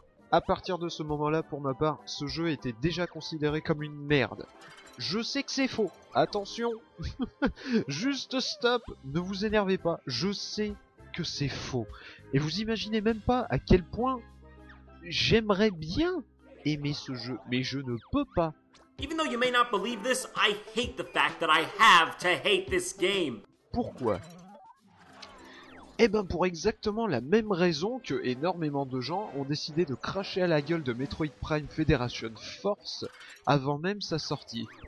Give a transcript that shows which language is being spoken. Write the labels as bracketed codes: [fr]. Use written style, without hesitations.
[fr] À partir de ce moment-là, pour ma part, ce jeu était déjà considéré comme une merde. Je sais que c'est faux. Attention. Juste stop. Ne vous énervez pas. Je sais que c'est faux. Et vous imaginez même pas à quel point j'aimerais bien aimer ce jeu. Mais je ne peux pas. [en] Even though you may not believe this, I hate the fact that I have to hate this game. [fr] Pourquoi ? Eh ben pour exactement la même raison que énormément de gens ont décidé de cracher à la gueule de Metroid Prime Federation Force avant même sa sortie.